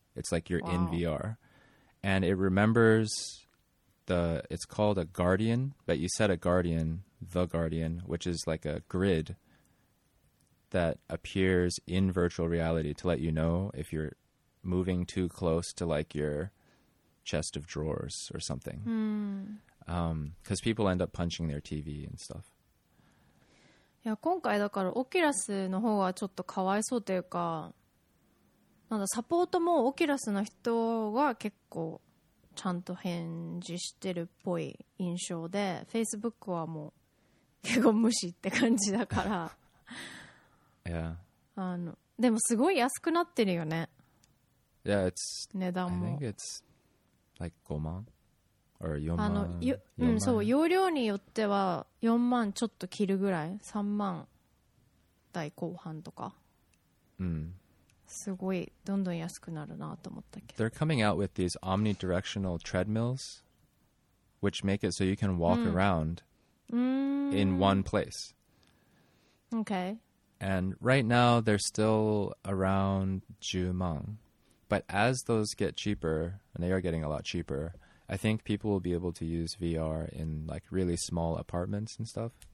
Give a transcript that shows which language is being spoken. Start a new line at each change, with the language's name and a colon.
English: It's like you're in VR. And it remembers it's called a guardian, but you set a guardian, the guardian, which is like a grid that appears in virtual reality to let you know if you're moving too close to like your chest of drawers or something. Because people end up punching their TV and stuff.
Japanese: Yeah, 今回だからオキラスの方がちょっとかわいそうというか、なんだサポートもオキラスの人が結構ちゃんと返事してるっぽい印象で、Facebook はもう結構無視って感じだから。
English: Yeah.
Japanese: でもすごい安くなってるよね。
English: Yeah, it's
Japanese: 値段も。
English: I think it's like 5万 or 4万。
Japanese: そう、容量によっては4万ちょっと切るぐらい、3万台後半とか。すごいどんどん安くなるなと思ったけど。
English: They're coming out with these omnidirectional treadmills, which make it so you can walk around in one place. Okay. And right now, they're still around 10万. But as those get cheaper, and they are getting a lot cheaper, I think people will be able to use VR in like really small apartments and stuff.